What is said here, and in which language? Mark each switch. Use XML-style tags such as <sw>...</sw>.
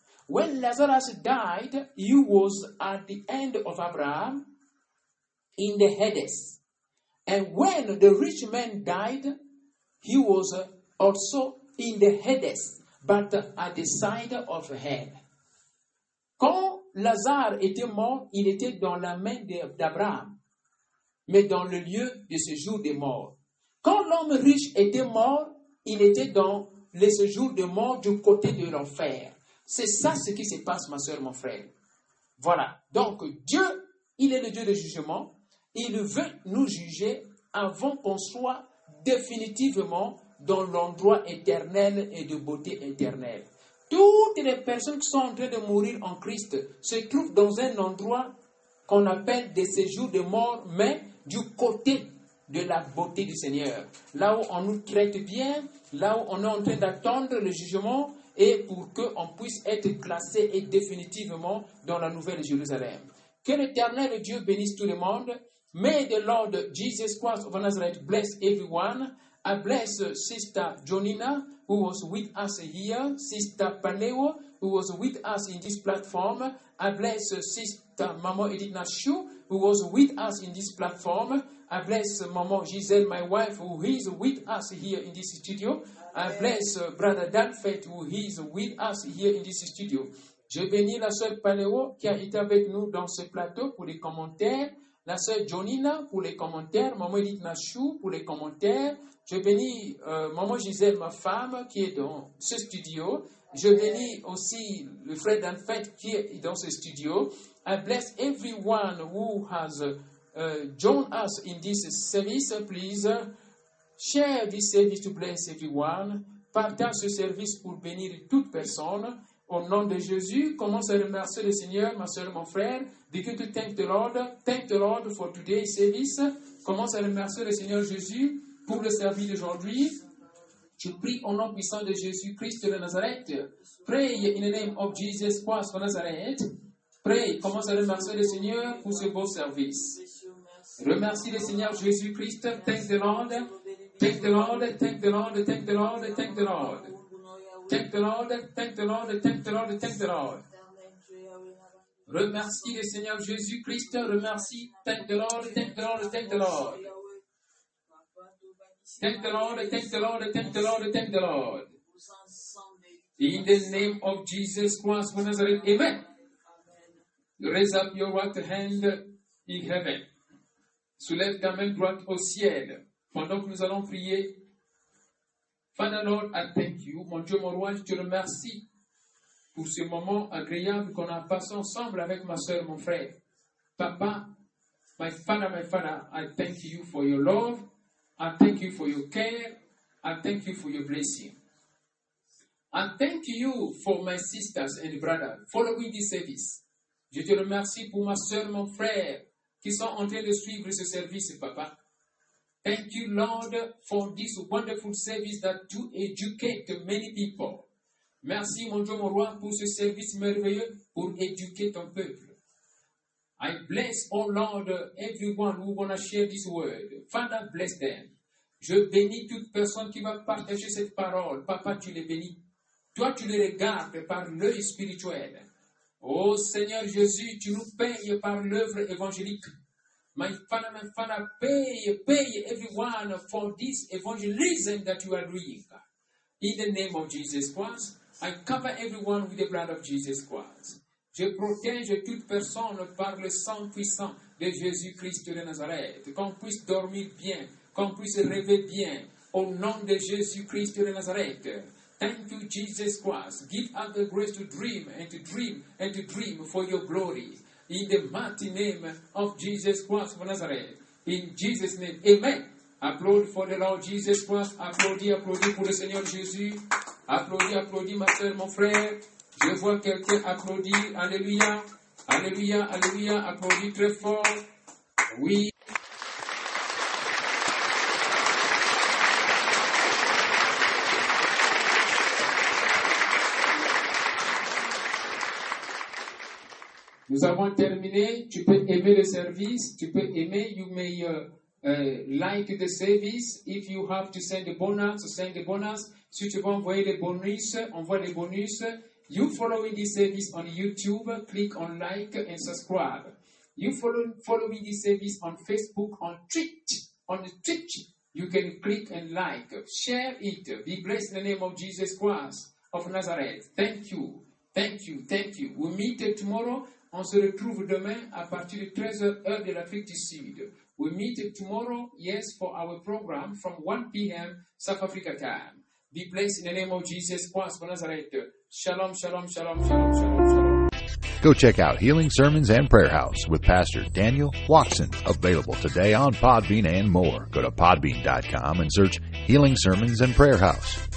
<en>When Lazarus died, he was at the end of Abraham in the Hades. And when the rich man died, he was also in the Hades, but at the side of hell.</en> <fr>Quand Lazare était mort, il était dans la main d'Abraham, mais dans le lieu de séjour des morts. Quand l'homme riche était mort, il était dans le séjour des morts du côté de l'enfer. C'est ça ce qui se passe, ma soeur, mon frère. Voilà. Donc, Dieu, il est le Dieu de jugement. Il veut nous juger avant qu'on soit définitivement dans l'endroit éternel et de beauté éternelle. Toutes les personnes qui sont en train de mourir en Christ se trouvent dans un endroit qu'on appelle des séjours de mort, mais du côté de la beauté du Seigneur. Là où on nous traite bien, là où on est en train d'attendre le jugement et pour qu'on puisse être classé et définitivement dans la nouvelle Jérusalem. Que l'éternel Dieu bénisse tout le monde.</fr> <en>May the Lord Jesus Christ of Nazareth bless everyone. I bless Sister Jonina, who was with us here, Sister Paneo, who was with us in this platform. I bless Sister Mama Edith Nashu, who was with us in this platform. I bless Mama Giselle, my wife, who is with us here in this studio. Amen. I bless Brother Danfait, who is with us here in this studio.</en> <fr>Je bénis la sœur Paneo qui a été avec nous dans ce plateau pour les commentaires. La sœur Jonina pour les commentaires, Maman Edith Nashu pour les commentaires. Je bénis Maman Giselle, ma femme, qui est dans ce studio. Je bénis aussi le frère Danfait qui est dans ce studio.</fr> <en>I bless everyone who has joined us in this service. Please share this service to bless everyone.</en> <fr>Partage ce service pour bénir toute personne. Au nom de Jésus, commence à remercier le Seigneur, ma soeur, mon frère.</fr> <en>Begin to thank the Lord for today's service.</en> <fr>Commence à remercier le Seigneur Jésus pour le service d'aujourd'hui. Je prie au nom puissant de Jésus Christ de Nazareth.</fr> <en>Pray in the name of Jesus Christ of Nazareth. Pray,</en> <fr>commence à remercier le Seigneur pour ce beau service. Remercie le Seigneur Jésus Christ.</fr> <en>Thank the Lord. Thank the Lord. Thank the Lord. Thank the Lord. Thank the Lord. Thank the Lord, thank the Lord, thank the Lord, thank the Lord.</en> <fr>Remercie le Seigneur Jésus-Christ. Remercie.</fr> <en>Thank the Lord, thank the Lord, thank the Lord. Thank the Lord, thank the Lord, thank the Lord, thank the Lord. In the name of Jesus Christ of Nazareth, amen. Raise up your right hand in heaven.</en> <fr>Soulève ta main droite au ciel. Pendant que nous allons prier,</fr> <en>Father Lord, I thank you.</en> <fr>Mon Dieu, mon roi, je te remercie pour ce moment agréable qu'on a passé ensemble avec ma soeur, mon frère.</fr> <en>Papa, my father, I thank you for your love. I thank you for your care. I thank you for your blessing. I thank you for my sisters and brothers following this service.</en> <fr>Je te remercie pour ma soeur, mon frère, qui sont en train de suivre ce service, papa.</fr> <en>Thank you, Lord, for this wonderful service that to educate many people.</en> <fr>Merci, mon Dieu, mon roi, pour ce service merveilleux pour éduquer ton peuple.</fr> <en>I bless, oh Lord, everyone who want to share this word. Father, bless them.</en> <fr>Je bénis toute personne qui va partager cette parole. Papa, tu les bénis. Toi, tu les regardes par l'œil spirituel. Oh Seigneur Jésus, tu nous payes par l'œuvre évangélique.</fr> <en>My Father, pay everyone for this evangelism that you are doing. In the name of Jesus Christ, I cover everyone with the blood of Jesus Christ.</en> <fr>Je protège toute personne par le sang puissant de Jésus-Christ de Nazareth. Qu'on puisse dormir bien, qu'on puisse rêver bien, au nom de Jésus-Christ de Nazareth.</fr> <en>Thank you, Jesus Christ. Give us the grace to dream and to dream and to dream for your glory. In the mighty name of Jesus Christ of Nazareth. In Jesus' name, amen. Applaud for the Lord Jesus Christ.</en> <fr>Applaudis, applaudis pour le Seigneur Jésus. Applaudis, applaudis, ma soeur, mon frère. Je vois quelqu'un applaudir. Alléluia. Alléluia, alléluia. Applaudis très fort. Oui. Nous avons terminé. Tu peux aimer le service. Tu peux aimer.</fr> <en>You may like the service. If you have to send a bonus, send a bonus.</en> <fr>Si tu veux envoyer des bonus, envoie des bonus.</fr> <en>You following this service on YouTube, click on like and subscribe. You following this service on Facebook, on Twitch, you can click and like. Share it. Be blessed in the name of Jesus Christ of Nazareth. Thank you. Thank you. Thank you. We meet tomorrow.</en> <fr>On se retrouve demain à partir de 13h heure de l'Afrique du Sud.</fr> <en>We meet tomorrow, yes, for our program from 1 p.m. South Africa time. Be blessed in the name of Jesus Christ of Nazareth. Shalom, shalom, shalom, shalom, shalom, shalom. Go check out Healing Sermons and Prayer House with Pastor Daniel Watson. Available today on Podbean and more. Go to podbean.com and search Healing Sermons and Prayer House.</en>